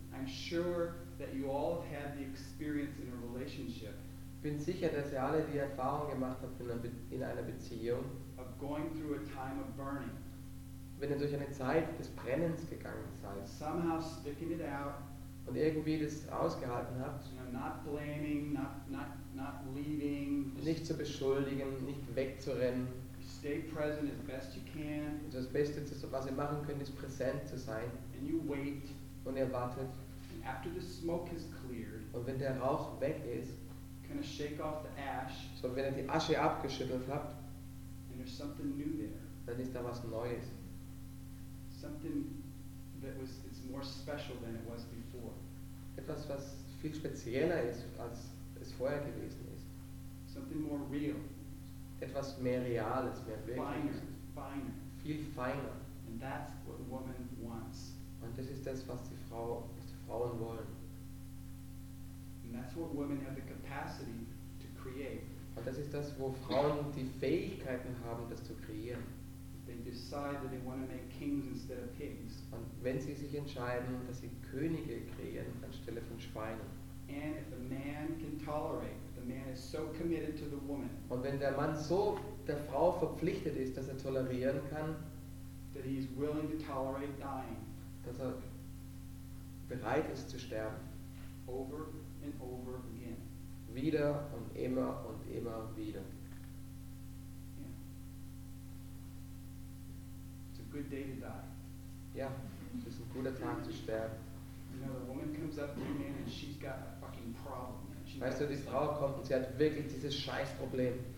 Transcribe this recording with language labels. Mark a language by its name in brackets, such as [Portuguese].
[English] I'm sure that you all have had the experience in a relationship. [German] Ich bin sicher, dass ihr alle die Erfahrung gemacht habt in einer Beziehung, [English] of going through a time of burning. [German] Wenn ihr durch eine Zeit des Brennens gegangen seid, [English] somehow sticking it out, [German] und irgendwie das ausgehalten habt, [English] you know, not blaming, not leaving, [German] nicht zu beschuldigen, nicht wegzurennen, [English] stay present as best you can, [German] also das Beste, was ihr machen könnt, ist präsent zu sein, [English] and you wait, [German] und ihr wartet, [English] and after the smoke has cleared, [German] und wenn der Rauch weg ist, [English] kind of shake off the ash, [German] so wenn ihr die Asche abgeschüttelt habt, [English] and there's something new there, [German] dann ist da was Neues. [English] Something that was, it's more special than it was before. [German] Etwas, was viel spezieller ist, als es vorher gewesen ist. [English] Something more real. [German] Etwas mehr Reales, mehr Wirkliches. [English] Finer. [German] Viel feiner. [English] And that's what a woman wants. [German] Und das ist das, was die Frauen wollen. [English] And that's what women have the capacity to create. [German] Und das ist das, wo Frauen die Fähigkeiten haben, das zu kreieren. [English] They decide that they want to make kings instead of pigs. [German] Und wenn sie sich entscheiden, dass sie Könige kreieren anstelle von Schweinen. [English] And if a man can tolerate, the man is so committed to the woman. [German] Und wenn der Mann so der Frau verpflichtet ist, dass er tolerieren kann, [English] that he is willing to tolerate dying. [German] Dass er bereit ist zu sterben. [English] Over and over again. [German] Wieder und immer wieder. [English] Yeah. It's a good day to die. [German] Ja, es ist ein guter Tag zu sterben. [English] You know, the woman comes up to a man and she's got a fucking problem. [German] She weißt du, die Frau kommt und sie hat wirklich dieses Scheißproblem.